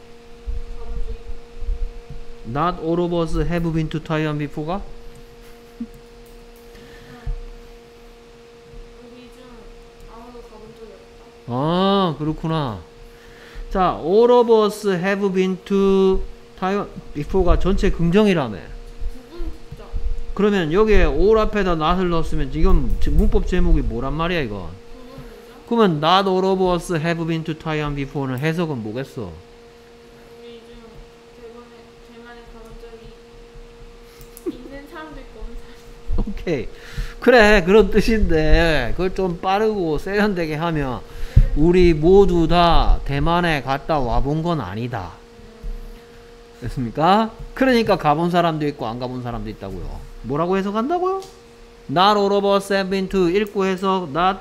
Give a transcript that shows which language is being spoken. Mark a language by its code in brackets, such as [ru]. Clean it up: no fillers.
[ko] 네, [en] not all of us have been to Taiwan before가? [ko] 우리 중 아무도 가본 적이 없다. 아, 그렇구나. 자, [en] all of us have been to Taiwan before가 [ko] 전체 긍정이라며. 그러면 여기에 all 앞에다 not을 넣었으면 이건 문법 제목이 뭐란 말이야 이건? 그러면 [en] not all of us have been to Taiwan before는 [ko] 해석은 뭐겠어? 우리 중 대만에 가본 적이 있는 사람도 있고 오케이. 그래, 그런 뜻인데 그걸 좀 빠르고 세련되게 하면 우리 모두 다 대만에 갔다 와본 건 아니다. 됐습니까? 그러니까 가본 사람도 있고 안 가본 사람도 있다고요. 뭐라고 해석한다고요? [en] Not all of us have been to [ko] 읽고 해석 [en] Not